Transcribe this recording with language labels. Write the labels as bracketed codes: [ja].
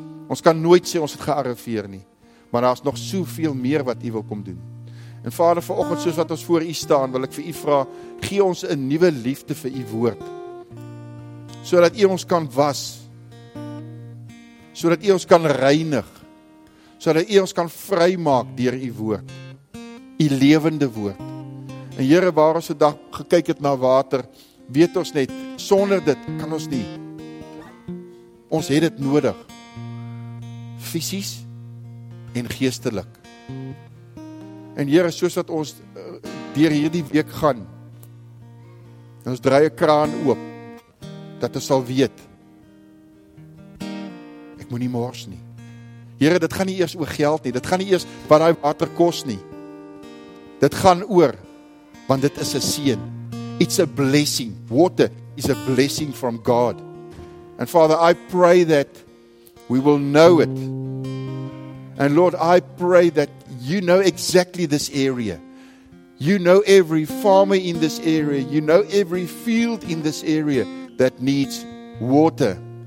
[af] Ons kan nooit sê ons het gearriveer nie, maar daar is nog soveel meer wat u wil kom doen. En Vader, vanoggend soos wat ons voor u staan, wil ek vir u vra, gee ons 'n nuwe liefde vir u woord, sodat u ons kan was, sodat u ons kan reinig, sodat u ons kan vrymaak deur u woord, u lewende woord. En Here, waar ons vandag gekyk het na water, weet ons net, sonder dit kan ons nie. Ons het dit nodig, fisies en geestelik. En Here, soos dat ons deur hierdie week gaan, ons draai 'n kraan oop, dat ons sal weet, ek moet nie mors nie. Here, dit gaan nie eers oor geld nie, dit gaan nie eers wat daai water kos nie. Dit gaan oor, want dit is 'n seën. [en] It's a blessing. Water is a blessing from God. And Father, I pray that we will know it. And Lord, I pray that you know exactly this area. You know every farmer in this area. You know every field in this area that needs water.